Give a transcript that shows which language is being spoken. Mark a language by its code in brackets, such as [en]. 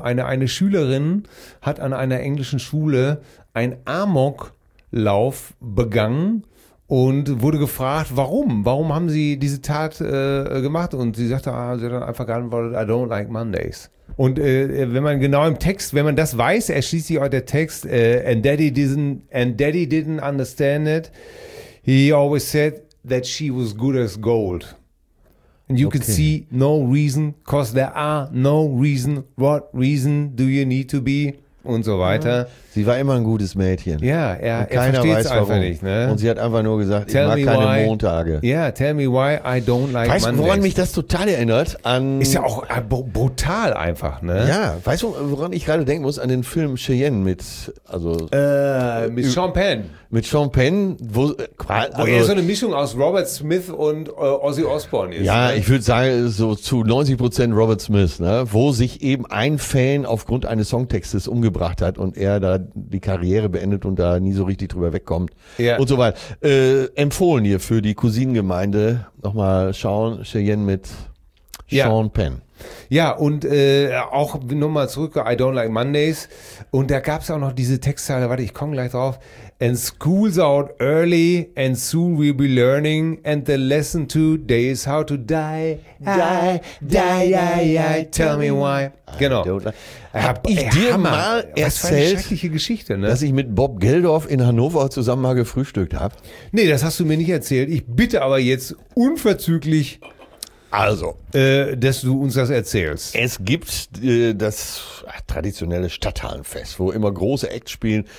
[de] Eine Schülerin hat an einer englischen Schule einen Amoklauf begangen und wurde gefragt, warum? Warum haben sie diese Tat gemacht? Und sie sagte, ah, sie hat dann einfach geantwortet, I don't like Mondays. Und wenn man genau im Text, wenn man das weiß, erschließt sich auch der Text, [en] and daddy didn't understand it. He always said that she was good as gold. And you can see no reason, because there are no reason. What reason do you need to be? [de] Und so weiter. Sie war immer ein gutes Mädchen. Ja, er versteht es einfach warum. Nicht. Ne? Und sie hat einfach nur gesagt, [en] tell [de] ich mag keine [en] why, [de] Montage. Ja, [en] yeah, tell me why I don't like [de] weißt Weißt du, woran mich das total erinnert? An ist ja auch brutal einfach, ne? Ja, weißt du, woran ich gerade denken muss? An den Film Cheyenne mit, also... mit Sean Penn. Mit Sean Penn, wo... Also, so eine Mischung aus Robert Smith und Ozzy Osbourne ist. Ja, ne? Ich würde sagen, so zu 90% Robert Smith, ne? Wo sich eben ein Fan aufgrund eines Songtextes umgebracht hat und er da die Karriere beendet und da nie so richtig drüber wegkommt. Ja. Und so weiter. Empfohlen hier für die Cousinengemeinde nochmal schauen, Cheyenne mit Sean ja. Penn. Ja, und auch nochmal zurück, I don't like Mondays. Und da gab es auch noch diese Textzeile, warte, ich komme gleich drauf. [en] And school's out early and soon we'll be learning and the lesson today is how to die, tell me why. [de] Genau. Hab ich dir mal erzählt, eine schreckliche Geschichte, ne? Dass ich mit Bob Geldof in Hannover zusammen mal gefrühstückt habe? Nee, das hast du mir nicht erzählt. Ich bitte aber jetzt unverzüglich, also, dass du uns das erzählst. Es gibt das traditionelle Stadthallenfest, wo immer große Acts spielen.